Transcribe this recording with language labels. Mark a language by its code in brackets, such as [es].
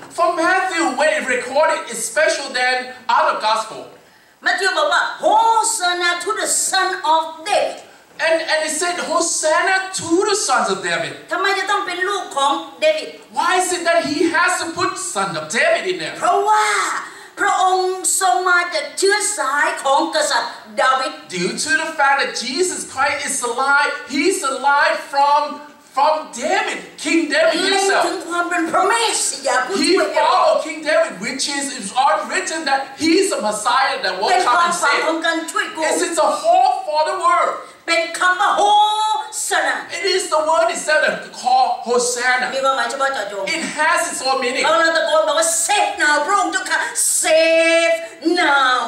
[en] น For Matthew when it recorded is special than other gospel [th] Matthew บอกว่า [en] Hosanna to the Son of David And it said Hosanna to the sons of David. [th] ทำไมจะต้องเป็นลูกของเดวิด [en] Why is it that he has to put son of David in there? [th] เพราะว่าพระองค์ทรงมาจากเชื้อสายของกษัตริย์ดาวิด [en] Due to the fact that Jesus Christ is alive, he's alive from David, King David himself. [th] ถึงความเป็นพระเมสสิยาห์ [en] He followed King David, which is all written that he's the Messiah that will come and save. [th] เป็นความฝันของการช่วยกู้ [en] It's a hope for the world. [th] เป็นคำว่าโฮซานา [en] It is the word itself that we call Hosanna [th] มีความหมายเฉพาะเจาะจง [en] It has its own meaning [th] เราตะโกนบอกว่า [en] Save now [th] พระองค์เจ้าค่ะ Save now